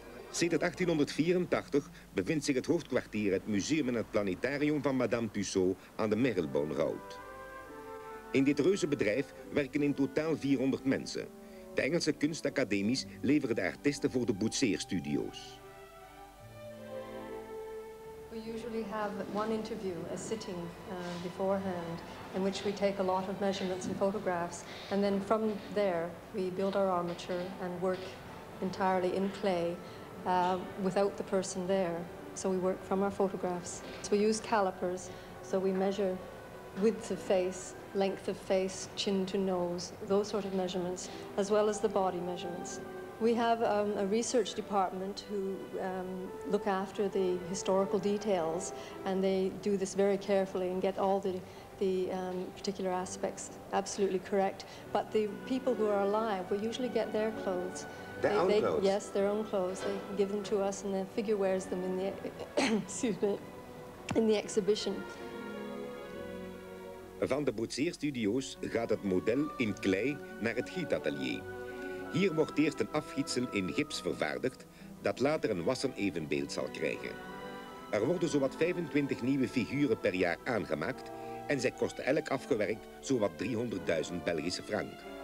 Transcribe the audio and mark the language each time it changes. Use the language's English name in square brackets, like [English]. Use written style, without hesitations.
[Dutch] Sedert 1884 bevindt zich het hoofdkwartier, het museum en het planetarium van Madame Tussaud aan de Marylebone Road. In dit reuze bedrijf werken in totaal 400 mensen. De Engelse kunstacademies leveren de artiesten voor de boetseerstudio's. [English] We usually have one interview, a sitting beforehand, in which we take a lot of measurements and photographs, and then from there we build our armature and work entirely in clay. Without the person there, so we work from our photographs. So we use calipers, so we measure width of face, length of face, chin to nose, those sort of measurements, as well as the body measurements. We have a research department who look after the historical details, and they do this very carefully and get all the particular aspects absolutely correct. But the people who are alive, we usually get their clothes. Their own clothes? Yes, their own clothes. They give them to us and the figure wears them in the, in the exhibition. [Dutch] Van de boetseerstudio's gaat het model in klei naar het gietatelier. Hier wordt eerst een afgietsel in gips vervaardigd dat later een wassen evenbeeld zal krijgen. Er worden zowat 25 nieuwe figuren per jaar aangemaakt en zij kosten elk afgewerkt zowat 300.000 Belgische frank.